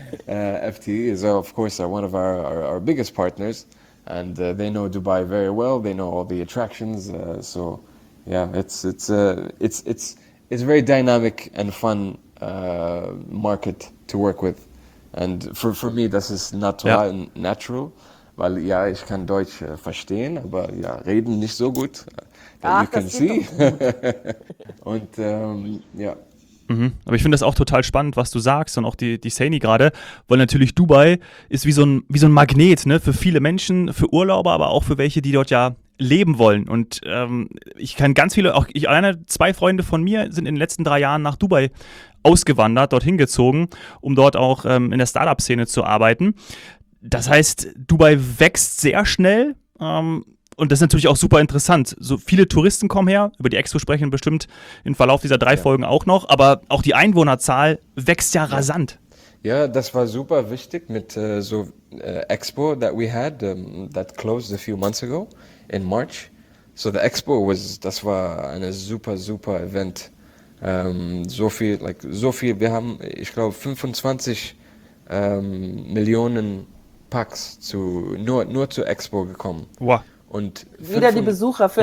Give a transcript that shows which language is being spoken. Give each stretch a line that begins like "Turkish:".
English: FTE is of course one of our biggest partners, and they know Dubai very well. They know all the attractions. So yeah, it's very dynamic and fun market to work with. And for me,
German: das ist Ja. natural, weil ja, ich kann Deutsch verstehen, aber ja, reden nicht so gut.
English: That you
German: Ach,
English: can
German: das geht doch
English: see.
German: gut. Und ja. Aber ich finde das auch total spannend, was du sagst und auch die Saini gerade, weil natürlich Dubai ist wie so ein Magnet, ne, für viele Menschen, für Urlauber, aber auch für welche, die dort ja leben wollen. Und ich kenne ganz viele, auch ich alleine, zwei Freunde von mir sind in den letzten 3 Jahren nach Dubai ausgewandert, dorthin gezogen, um dort auch in der Startup-Szene zu arbeiten. Das heißt, Dubai wächst sehr schnell. Und das ist natürlich auch super interessant. So viele Touristen kommen her, über die Expo sprechen bestimmt im Verlauf dieser 3 Folgen auch noch, aber auch die Einwohnerzahl wächst ja rasant. Ja, das war super wichtig mit so Expo
English: that we had that closed a few months ago in March. So the Expo was,
German: das war eine super super Event. So viel, so viel. Wir haben, ich glaube, 25 Millionen Packs nur zu Expo gekommen. Wow. Und Wieder die Besucher für